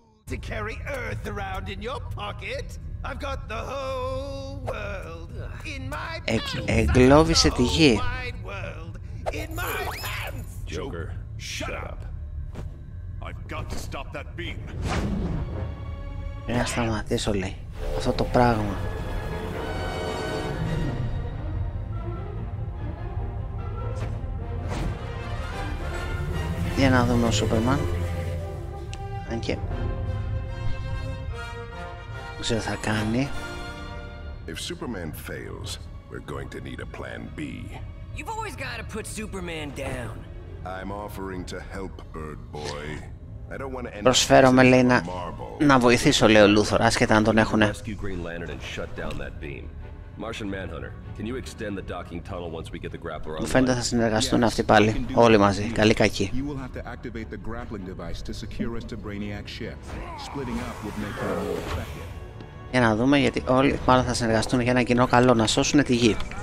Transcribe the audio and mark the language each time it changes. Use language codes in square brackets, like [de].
[en] To carry Earth around in your pocket. I've got the whole world in my pants. The whole wide world in my pants. Joker, shut up. I've got to stop that beam. [el] Να σταματήσω, λέει, αυτό το πράγμα. Για να δούμε ο Σούπερμαν. Αν και... ξέρω θα κάνει. [en] If Superman fails, we're going to need a plan B. You've always got to put Superman down. I'm offering to help, Bird Boy. [el] Προσφέρομαι, λέει, να βοηθήσω, λέει ο Λούθορ, άσχετα αν τον έχουνε. [en] Green Lantern and shut down that beam. Martian Manhunter, can you extend the docking tunnel once we get the grappler online? [el] Μου φαίνεται θα συνεργαστούν αυτοί πάλι, όλοι μαζί, καλή κακή. [en] You will have to activate the grappling device to secure us to Brainiac's ship. Splitting up would make it more effective. [el] Για να δούμε, γιατί όλοι μάλλον θα συνεργαστούν για ένα κοινό καλό, να σώσουν τη γη.